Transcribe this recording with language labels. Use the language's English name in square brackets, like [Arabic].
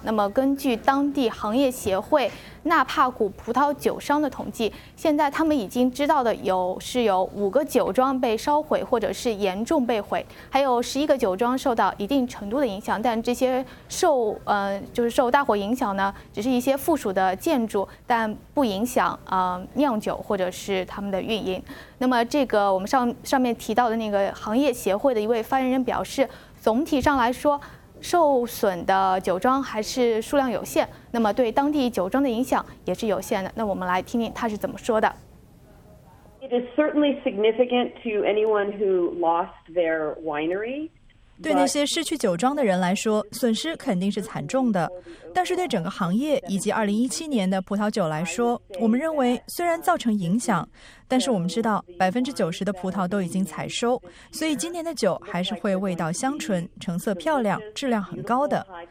[Chinese] 那么根据当地行业协会纳帕谷葡萄酒商的统计，现在他们已经知道的有5个酒庄被烧毁或者是严重被毁，还有11个酒庄受到一定程度的影响，但这些受大火影响呢只是一些附属的建筑，但不影响酿酒或者是他们的运营。那么这个我们上面提到的那个行业协会的一位发言人表示，总体上来说受损的酒庄还是数量有限，那么对当地酒庄的影响也是有限的。那我们来听听他是怎么说的。 [English] It is certainly significant to anyone who lost their winery. [Chinese] 对那些失去酒庄的人来说，损失肯定是惨重的。但是对整个行业以及2017年的葡萄酒来说，我们认为虽然造成影响，但是我们知道90%的葡萄都已经采收，所以今年的酒还是会味道香醇、成色漂亮、质量很高的。